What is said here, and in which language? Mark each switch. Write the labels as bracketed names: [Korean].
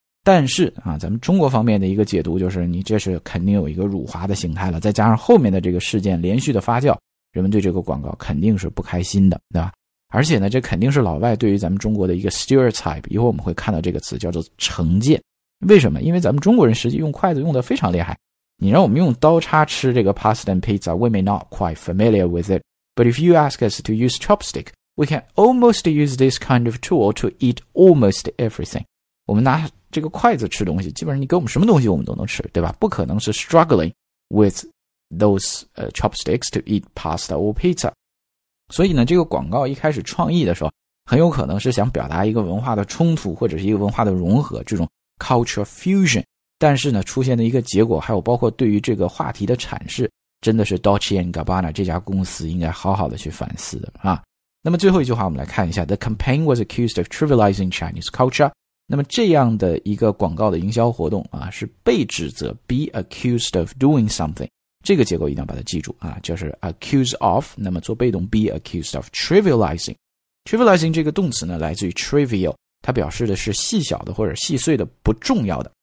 [Chinese] 但是啊，咱们中国方面的一个解读就是，你这是肯定有一个辱华的形态了，再加上后面的这个事件连续的发酵，人们对这个广告肯定是不开心的，对吧？而且呢，这肯定是老外对于咱们中国的一个 stereotype， 以后我们会看到这个词叫做成见。为什么？因为咱们中国人实际用筷子用得非常厉害，你让我们用刀叉吃这个 [English] pasta and pizza， we may not quite familiar with it， but if you ask us to use chopstick， we can almost use this kind of tool to eat almost everything。 [Chinese] 我们拿这个筷子吃东西，基本上你给我们什么东西我们都能吃，对吧？不可能是 [English] struggling with those chopsticks to eat pasta or pizza。 [Chinese] 所以呢，这个广告一开始创意的时候很有可能是想表达一个文化的冲突，或者是一个文化的融合，这种 [English] culture fusion。 [Chinese] 但是呢，出现的一个结果还有包括对于这个话题的阐释，真的是 Dolce & Gabbana 这家公司应该好好的去反思的啊。那么最后一句话我们来看一下， [English] The campaign was accused of trivializing Chinese culture。 [Chinese] 那么这样的一个广告的营销活动啊，是被指责 [English] be accused of doing something， [Chinese] 这个结构一定要把它记住啊，就是 [English] accuse of， [Chinese] 那么做被动 [English] be accused of trivializing。 [Chinese] trivializing 这个动词呢，来自于 trivial， 它表示的是细小的或者细碎的，不重要的。